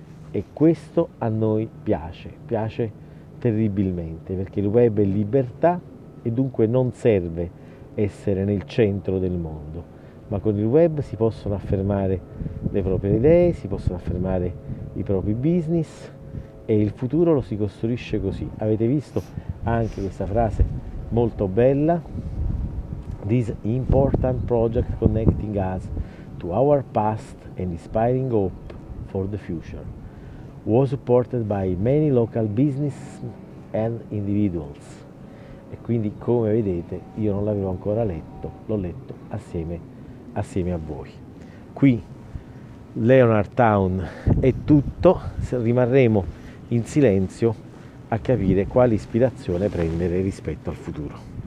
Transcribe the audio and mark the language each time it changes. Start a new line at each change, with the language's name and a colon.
Italian: E questo a noi piace terribilmente, perché il web è libertà e dunque non serve essere nel centro del mondo, ma con il web si possono affermare le proprie idee, si possono affermare i propri business e il futuro lo si costruisce così. Avete visto anche questa frase molto bella?
English: This important project connecting us to our past and inspiring hope for the future. Was supported by many local business and individuals.
Italian: E quindi, come vedete, io non l'avevo ancora letto, l'ho letto assieme a voi. Qui, Leonard Town è tutto, rimarremo in silenzio a capire quale ispirazione prendere rispetto al futuro.